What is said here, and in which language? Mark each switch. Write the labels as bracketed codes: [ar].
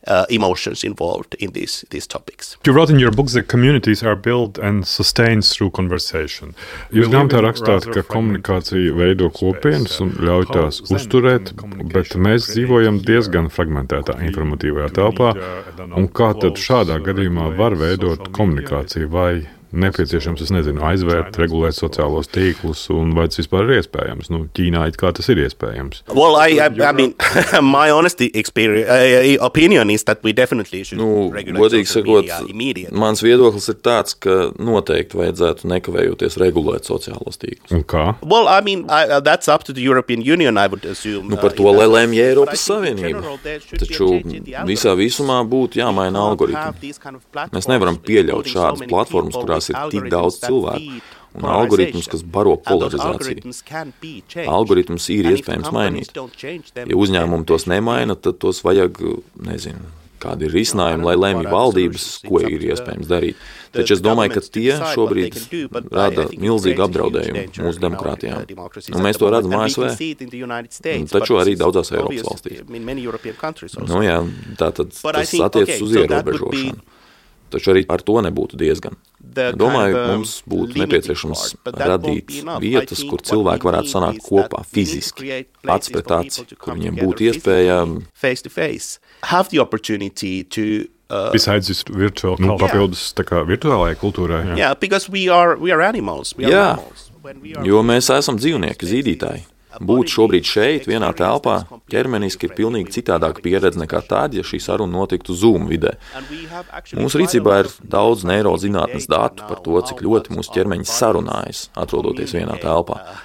[en] Emotions involved in these topics. You wrote in your book that communities are built and sustained through conversation. [lv] Jūs grāmatā rakstāt, ka komunikācija veido kopienas un ļauj tās uzturēt, bet mēs dzīvojam diezgan fragmentētā informatīvajā telpā, un kā tad šādā gadījumā var veidot komunikāciju vai nepieciešams, es nezinu, aizvērt, regulēt sociālos tīklus, un vai tas vispār ir iespējams? Nu, Ķīnā it kā tas ir iespējams. [en] My honest opinion is that we definitely should regulate social media immediately. [lv] Mans viedoklis ir tāds, ka noteikti vajadzētu nekavējoties regulēt sociālos tīklus. Un kā? [en] That's up to the European Union, I would assume. [lv] Nu, par to lēmj Eiropas Savienība. Taču visā visumā būtu jāmaina algoritmi. Mēs nevaram pieļaut šādas platformas, kurās ir tik daudz cilvēku un algoritmus, kas baro polarizāciju. Algoritmus ir iespējams mainīt. Ja uzņēmumi tos nemaina, tad tos vajag, nezinu, kādi ir risinājumi, lai lēmj valdības, ko ir iespējams darīt. Taču es domāju, ka tie šobrīd rada milzīgu apdraudējumu mūsu demokrātijām. Un mēs to redzam ASV, taču arī daudzās Eiropas valstīs. Nu jā, tātad tas attiecas uz ierobežošanu. Taču arī ar to nebūtu diezgan. Domāju, mums būtu nepieciešams radīt vietas, kur cilvēki varētu sanākt kopā fiziski, acs pret acs, kur viņiem būtu iespēja [en] face to face have the opportunity to besides this virtual culture. [lv] Papildus tā kā virtuālajai kultūrai. [en] Because we are animals. [lv] Jo mēs esam dzīvnieki, zīdītāji. Būt šobrīd šeit, vienā telpā, ķermeniski ir pilnīgi citādāka pieredze nekā tad, ja šī saruna notiktu Zoom vidē. Mūsu rīcībā ir daudz neirozinātnes datu par to, cik ļoti mūsu ķermeņi sarunājas, atrodoties vienā telpā.